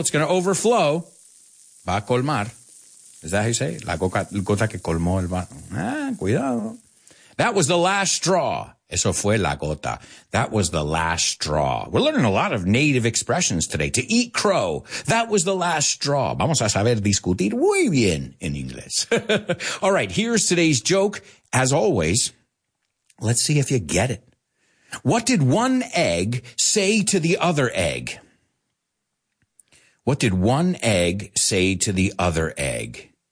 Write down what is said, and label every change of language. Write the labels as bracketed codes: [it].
[en] It's going to overflow. [es] Va a colmar. [en] Is that how you say it? [es] La gota que colmó el vaso. Ah, cuidado. [en] That was the last straw. [es] Eso fue la gota. [en] That was the last straw. We're learning a lot of native expressions today. To eat crow. That was the last straw. [es] Vamos a saber discutir muy bien [en] in English. All right, here's today's joke. As always, let's see if you get it. What did one egg say to the other egg? What did one egg say to the other egg?